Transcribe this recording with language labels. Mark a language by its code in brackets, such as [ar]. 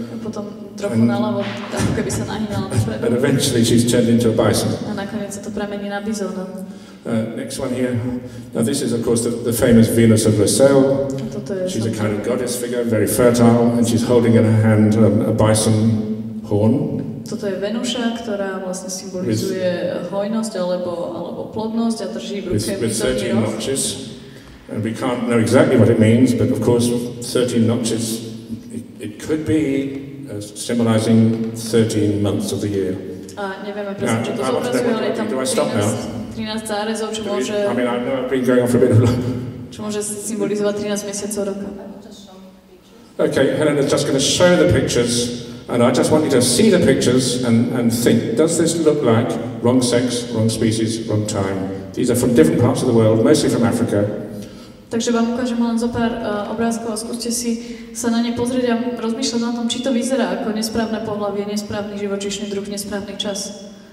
[sk] A potom trochu naľavo, tak keby sa nahýnala dopredu. [en] And eventually she's turned into a bison. [sk] A nakoniec sa to premení na bizóna. [en] Next one here. Now this is of course the famous Venus of Rosale. She's something. A kind of goddess figure, very fertile, and she's holding in her hand a bison horn. [sk] Toto je Venuša, ktorá vlastne symbolizuje hojnosť alebo plodnosť a drží v ruke bizonný roh. [en] And we can't know exactly what it means, but of course 13 notches, it could be symbolizing 13 months of the year. [sk] A nevieme presne, čo to zobrazuje, ale tam 13 zárezov, čo môže... [en] I mean, I've been going on for a bit of luck. [sk] Čo môže symbolizovať 13 mesiacov roka. [en] Okay, Helena's just going to show the pictures, and I just want you to see the pictures and think, does this look like wrong sex, wrong species, wrong time? These are from different parts of the world, mostly from Africa. [sk] Takže vám ukážem len zo pár obrázkov a skúste si sa na ne pozrieť a rozmýšľať na tom, či to vyzerá ako nesprávne pohlavie, nesprávny živočíšny druh, nesprávny čas.